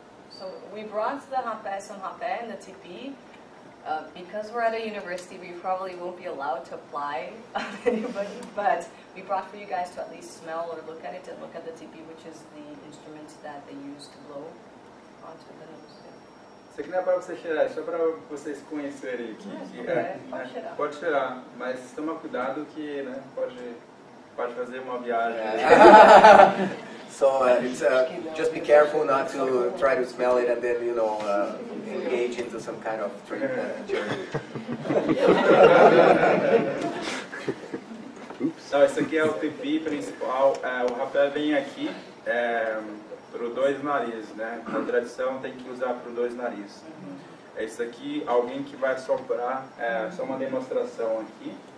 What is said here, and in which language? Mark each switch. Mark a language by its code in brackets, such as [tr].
[en] So we brought the rapé, some rapé and the tipi. Because we're at a university, we probably won't be allowed to apply anybody, but we brought for you guys to at least smell or look at it and look at the tipi, which is the instrument that they use to blow onto the nose. [pt] Isso aqui não é para você cheirar, é só para vocês conhecerem aqui. Pode cheirar. Mas toma cuidado que, né, pode fazer uma viagem. [en] So it's just be careful not to try to smell it and then, you know, engage into some kind of trip journey. Oops. [pt] Então, isso aqui é o tipi principal. O rapé vem aqui. Para os dois narizes, né? Na tradição tem que usar para os dois narizes. É isso aqui, alguém que vai soprar, é só uma demonstração aqui.